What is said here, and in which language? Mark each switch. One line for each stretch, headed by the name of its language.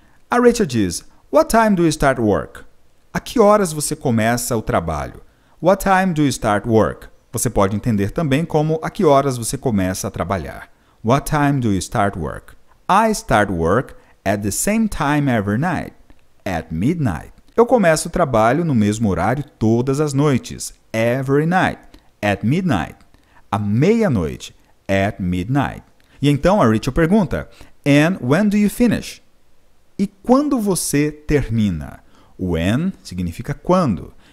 Portuguese: A Rachel diz,
English: what time do you start work?
Portuguese: A que horas você começa o trabalho?
English: What time do you start work?
Portuguese: Você pode entender também como a que horas você começa a trabalhar.
English: What time do you start work? I start work at the same time every night. At midnight.
Portuguese: Eu começo o trabalho no mesmo horário todas as noites.
English: Every night. At midnight.
Portuguese: À meia-noite.
English: At midnight.
Portuguese: E então a Rachel pergunta,
English: and when do you finish?
Portuguese: E quando você termina? When significa quando.